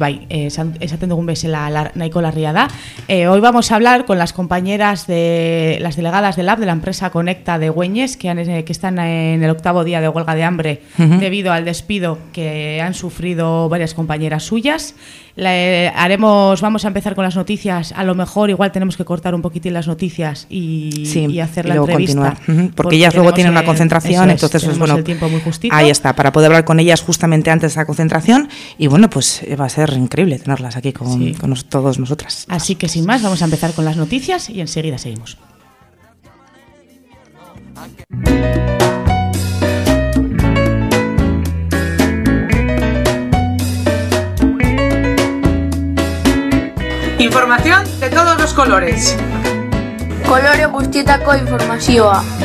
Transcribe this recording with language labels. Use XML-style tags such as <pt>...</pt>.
<eu>Esaten dugun bezala nahiko larria da.</eu> <es>Hoy vamos a hablar con las compañeras de las delegadas del LAB de la empresa Conecta de Güeñes que están en el octavo día de huelga de hambre debido al despido que han sufrido varias compañeras suyas. Vamos a empezar con las noticias. A lo mejor igual tenemos que cortar un poquitín las noticias y hacer y la luego entrevista. Continuar. Porque ellas luego tienen una concentración, entonces es bueno. El tiempo muy justito. Ahí está, para poder hablar con ellas justamente antes de la concentración. Y bueno, pues va a ser increíble tenerlas aquí con todos nosotras. Así que sin más, vamos a empezar con las noticias y enseguida seguimos. Información de todos los colores.</es> <eu>Colore guztietako informazioa.</eu>